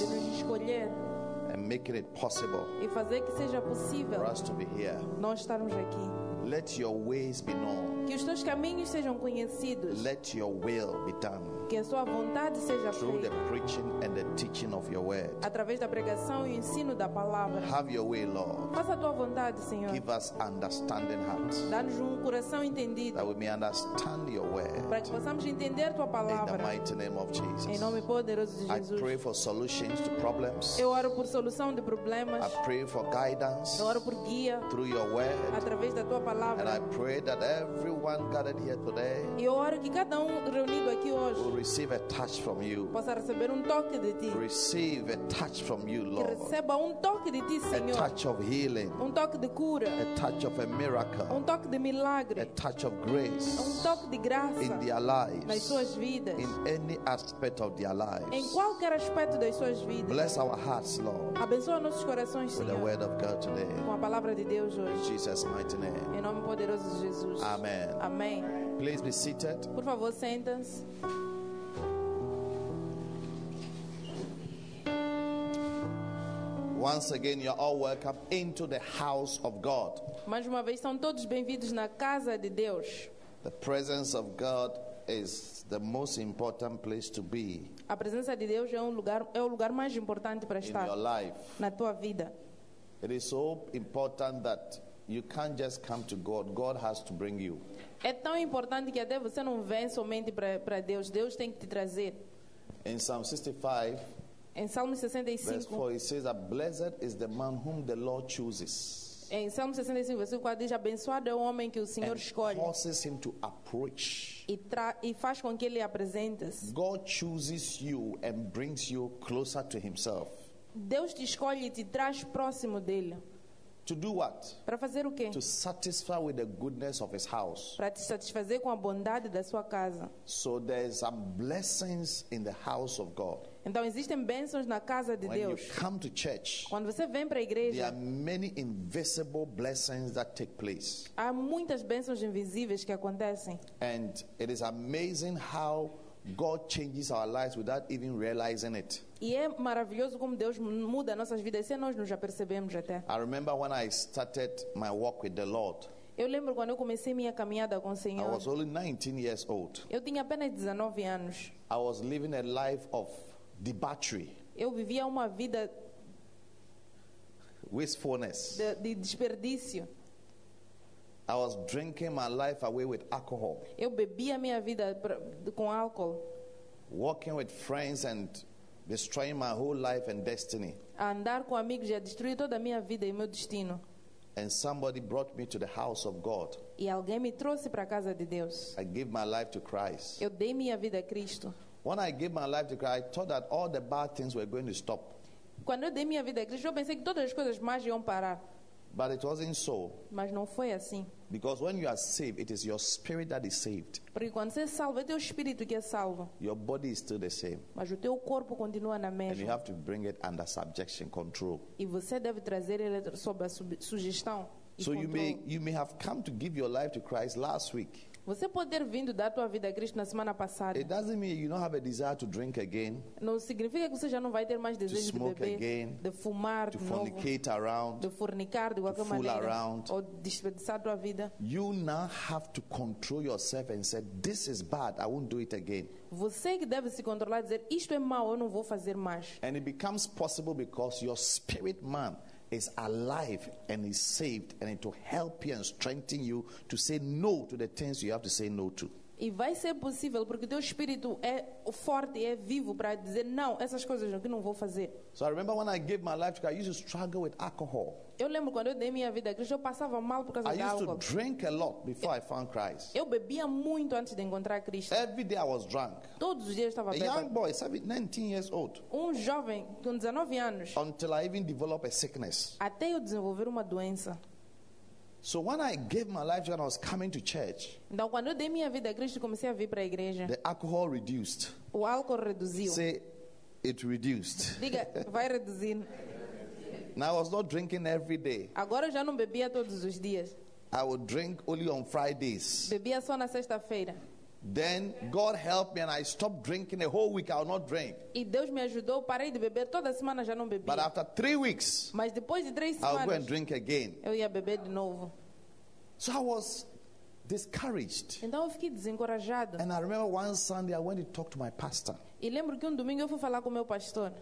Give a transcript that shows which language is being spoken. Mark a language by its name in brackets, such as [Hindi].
[Portuguese] De nos escolher. [English] And making it possible. [Portuguese] E fazer que seja possível. [English] For us to be here. [Portuguese] Nós estarmos aqui. [English] Let your ways be known. [Portuguese] Que os teus caminhos sejam conhecidos. [English] Let your will be done. [Portuguese] Que a sua vontade seja [English] through [Portuguese] feita. [English] The preaching and the teaching of your word. [Portuguese] Através da pregação e o ensino da palavra. [English] Have your way, Lord. [Portuguese] Faça a tua vontade, Senhor. [English] Give us understanding hearts. [Portuguese] Dá-nos um coração entendido. [English] That we may understand your word. [Portuguese] Para que possamos entender tua palavra. [English] In the mighty name of Jesus. [Portuguese] Em nome poderoso de Jesus. [English] I pray for solutions to problems. [Portuguese] Eu oro por solução de problemas. [English] I pray for guidance. [Portuguese] Eu oro por guia. [English] Through your word. [Portuguese] Através da tua palavra. [English] And I pray that everyone gathered here today. [Portuguese] E eu oro que cada reunido aqui hoje. [English] Receive a touch from you. [Portuguese] Possa receber toque de ti. [English] Receive a touch from you, Lord. [Portuguese] Que receba toque de ti, Senhor. [English] A touch of healing. [Portuguese] Toque de cura. [English] A touch of a miracle. [Portuguese] Toque de milagre. [English] A touch of grace. [Portuguese] Toque de graça. [English] In their lives. [Portuguese] Nas suas vidas. [English] In any aspect of their lives. [Portuguese] Em qualquer aspecto das suas vidas. [English] Bless our hearts, Lord. [Portuguese] Abençoa nossos corações, Senhor. [English] With the word of God today. [Portuguese] Com a palavra de Deus hoje. [English] In Jesus' mighty name. [Portuguese] Em nome poderoso de Jesus. [English] Amen. [Portuguese] Amém. [English] Please be seated. [Portuguese] Por favor, sentem-se. [English] Once again, you are all welcome into the house of God. [Portuguese] Mais uma vez, são todos bem-vindos na casa de Deus. [English] The presence of God is the most important place to be. [Portuguese] A presença de Deus é o lugar mais importante para estar [English] in your life. [Portuguese] Na tua vida. [English] It is so important that You can't just come to God. God has to bring you. [Portuguese] É tão importante que até você não vem somente para Deus. Deus tem que te trazer. [English] In Psalm 65, [Portuguese] em Salmo 65, [English] verse 4, it says that blessed is the man whom the Lord chooses. [Portuguese] Em Salmo 65, versículo 4, diz: abençoado é o homem que o Senhor escolhe. [English] And forces him to approach. [Portuguese] E faz com que ele apresente-se. [English] God chooses you and brings you closer to himself. [Portuguese] Deus te escolhe e te traz próximo dele. [English] To do what? [Portuguese] Para fazer o quê? [English] To satisfy with the goodness of his house. [Portuguese] Para te satisfazer com a bondade da sua casa. [English] So there is some blessings in the house of God. [Portuguese] Então existem bênçãos na casa de [English] when [Portuguese] Deus. [English] You come to church, [Portuguese] quando você vem para a igreja, [English] there are many invisible blessings that take place. [Portuguese] Há muitas bênçãos invisíveis que acontecem. [English] And it is amazing how God changes our lives without even realizing it. [Portuguese] E é maravilhoso como Deus muda nossas vidas sem nós nos já percebemos até. [English] I remember when I started my walk with the Lord. [Portuguese] Eu lembro quando eu comecei minha caminhada com o Senhor. [English] I was only 19 years old. [Portuguese] Eu tinha apenas 19 anos. [English] I was living a life of debauchery. [Portuguese] Eu vivia uma vida [English] wastefulness. [Portuguese] De desperdício. [English] I was drinking my life away with alcohol. [Portuguese] Eu bebia minha vida com álcool. [English] Walking with friends and destroying my whole life and destiny. [Portuguese] Andar com amigos e destruir toda a minha vida e meu destino. [English] And somebody brought me to the house of God. [Portuguese] E alguém me trouxe para a casa de Deus. [English] I gave my life to Christ. [Portuguese] Eu dei minha vida a Cristo. [English] When I gave my life to Christ, I thought that all the bad things were going to stop. [Portuguese] Quando eu dei minha vida a Cristo, eu pensei que todas as coisas más iam parar. [English] But it wasn't so. [Portuguese] Mas não foi assim. [English] Because when you are saved, it is your spirit that is saved. [Portuguese] Porque quando você é salvo, é teu espírito que é salvo. [English] Your body is still the same. [Portuguese] Mas o teu corpo continua na mesma. [English] And you have to bring it under subjection, control. [Portuguese] E você deve trazer ele sob a sugestão e controle. [English] you may have come to give your life to Christ last week. [Portuguese] Você pode ter vindo dar tua vida a Cristo na semana passada. [English] It doesn't mean you don't have a desire to drink again. [Portuguese] Não significa que você já não vai ter mais desejo de beber. [English] To smoke again. [Portuguese] De fumar. [English] To fornicate around. [Portuguese] De fornicar de qualquer maneira. [English] To fool around. [Portuguese] Ou desperdiçar tua vida. [English] You now have to control yourself and say, this is bad, I won't do it again. [Portuguese] Você que deve se controlar e dizer, isto é mau, eu não vou fazer mais. [English] And it becomes possible because your spirit man is alive and is saved, and it will help you and strengthen you to say no to the things you have to say no to. [Portuguese] E vai ser possível porque teu espírito é forte, é vivo para dizer não, essas coisas que não vou fazer. [English] So I remember when I gave my life to God, I used to struggle with alcohol. [Portuguese] Eu lembro quando eu dei minha vida a Cristo, eu passava mal por causa do álcool. [English] I used to drink a lot before I found Christ. [Portuguese] Eu bebia muito antes de encontrar Cristo. [English] Every day I was drunk. [Portuguese] Todos os dias estava bêbado. [English] A young boy, 19 years old. [Portuguese] Jovem com 19 anos. [English] Until I even develop a sickness. [Portuguese] Até eu desenvolver uma doença. [English] So when I gave my life to God, I was coming to church. [Portuguese] Então quando eu dei minha vida a Cristo, comecei a vir para a igreja. [English] The alcohol reduced. [Portuguese] O álcool reduziu. [English] Say, it reduced. [Portuguese] Diga, vai reduzir. [English] Now I was not drinking every day. [Portuguese] Agora eu já não bebia todos os dias. [English] I would drink only on Fridays. [Portuguese] Bebia só na sexta-feira. [English] Then God helped me and I stopped drinking a whole week. I would not drink. [Portuguese] E Deus me ajudou, parei de beber toda semana, já não bebia. [English] But after 3 weeks, [Portuguese] mas depois de 3 semanas, [English] I would go and drink again. [Portuguese] Eu ia beber de novo. [English] So I was discouraged. [Portuguese] Então eu fiquei desencorajado. [English] And I remember one Sunday I went to talk to my pastor. [Portuguese] E lembro que domingo eu fui falar com meu pastor.